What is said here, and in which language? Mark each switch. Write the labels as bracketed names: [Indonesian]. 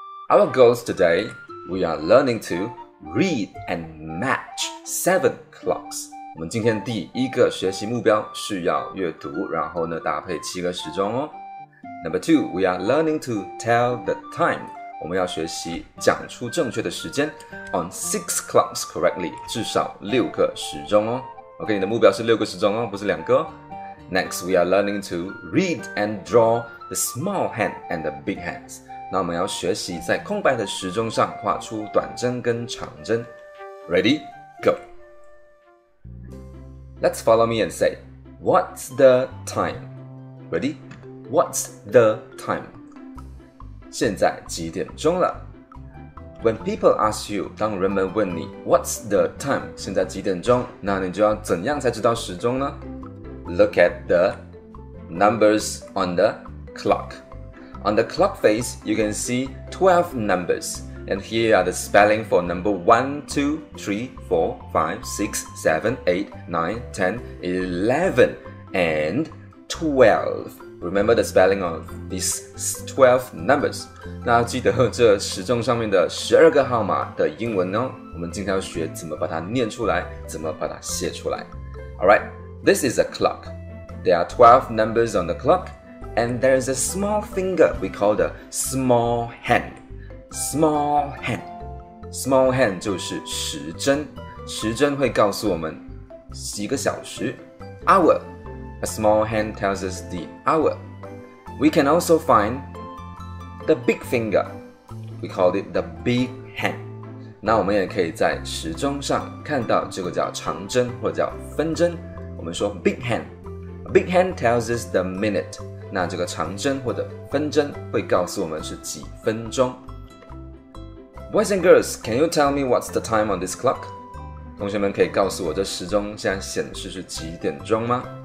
[English] Our goals today, we are learning to read and match 7 clocks. [Chinese] 我们今天第一个学习目标是要阅读，然后呢，搭配7个时钟哦。 [English] Number 2, we are learning to tell the time. [Chinese] 我们要学习讲出正确的时间 [English] on 6 clocks correctly, [Chinese] 至少6个时钟哦。 OK, 你的目标是六个时钟哦，不是两个。 [English] Next, we are learning to read and draw the small hand and the big hands. [Chinese] 那我们要学习在空白的时钟上画出短针跟长针。 [English] Ready? Go! Let's follow me and say, what's the time? Ready? What's the time? [Chinese] 现在几点钟了？ [English] When people ask you, [Chinese] 当人们问你 [English] what's the time? [Chinese] 现在几点钟？那你就要怎样才知道时钟呢？ [English] Look at the numbers on the clock. On the clock face, you can see 12 numbers. And here are the spelling for number 1, 2, 3, 4, 5, 6, 7, 8, 9, 10, 11, and 12. Remember the spelling of these 12 numbers. [Chinese] 那记得这时钟上面的12个号码的英文哦。我们今天要学怎么把它念出来，怎么把它写出来。 [English] Alright, this is a clock. There are 12 numbers on the clock, and there is a small finger we call the small hand. Small hand. Small hand [Chinese] 就是时针。时针会告诉我们几个小时。 [English] Hour. A small hand tells us the hour. We can also find the big finger. We call it the big hand. [Chinese] 那我们也可以在时钟上看到这个叫长针或者叫分针。我们说 [English] big hand. A big hand tells us the minute. [Chinese] 那这个长针或者分针会告诉我们是几分钟。 [English] Boys and girls, can you tell me what's the time on this clock? [Chinese] 同学们可以告诉我这时钟现在显示是几点钟吗？